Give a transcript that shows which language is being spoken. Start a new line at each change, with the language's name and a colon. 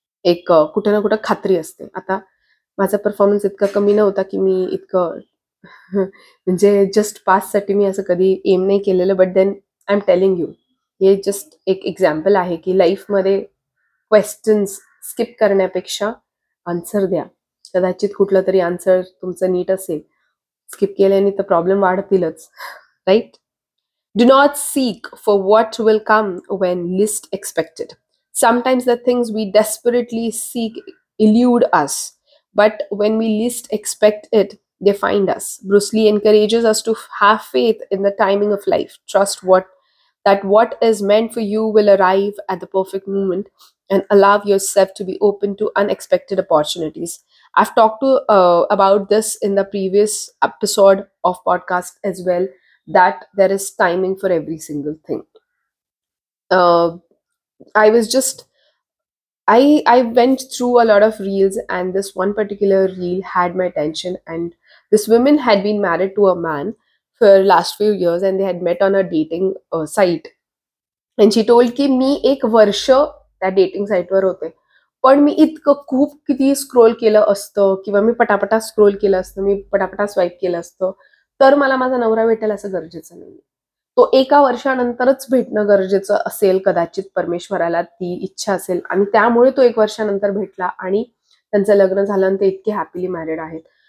Marathi: एक कुठं ना कुठं खात्री असते आता माझा परफॉर्मन्स इतका कमी नव्हता की मी इतकं म्हणजे जस्ट पाससाठी मी असं कधी एम नाही केलेलं
English: but then I am telling you
Marathi: हे जस्ट एक एक्झाम्पल आहे की लाईफमध्ये क्वेश्चन्स स्किप करण्यापेक्षा आन्सर द्या कदाचित कुठलं तरी आन्सर तुमचं नीट असेल स्किप केल्याने तर problem वाढतीलच right
English: Do not seek for what will come when least expected. Sometimes the things we desperately seek elude us, but when we least expect it, they find us. Bruce Lee encourages us to have faith in the timing of life. Trust that what is meant for you will arrive at the perfect moment and allow yourself to be open to unexpected opportunities. I've talked to about this in the previous episode of podcast as well. That there is timing for every single thing. I was just, I went through a lot of reels, and this one particular reel had my attention. And this woman had been married to a man for the last few years, and they had met on a dating site. And she told
Marathi: ki me ek varsh
English: that dating site
Marathi: var hote, पण मी इतकं खूप किती scroll केलं असतं किंवा मी पटापटा scroll केलं असतं, मी पटापटा स्वाईप केलं असतं, तर मला माझा नवरा भेटेल असं गरजेचं नाही. तो एका वर्षानंतरच भेटणं गरजेचं असेल, कदाचित परमेश्वराला ती इच्छा असेल, आणि त्यामुळे तो एक वर्षानंतर भेटला आणि त्यांचं लग्न झालं आणि ते इतके हॅपीली मॅरिड आहेत.